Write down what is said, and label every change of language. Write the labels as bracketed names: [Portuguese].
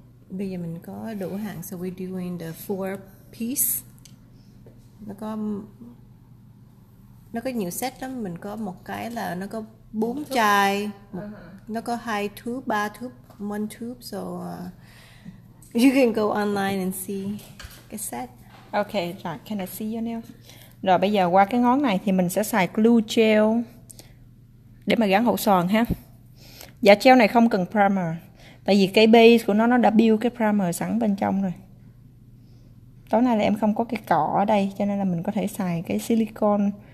[Vietnamese] Bây giờ mình có đủ hàng, so we're doing the 4-piece. Nó có nhiều set lắm. Mình có một cái là nó có 4 chai, nó có 2 tube, 3 tube, 1 tube. [English] So you can go online and see cái set. Ok, right. Can I see your nails? [Vietnamese] Rồi bây giờ qua cái ngón này thì mình sẽ xài glue gel để mà gắn hộ sòn ha. Dạ, gel này không cần primer. Tại vì cái base của nó đã build cái primer sẵn bên trong rồi. Tối nay là em không có cái cỏ ở đây cho nên là mình có thể xài cái silicone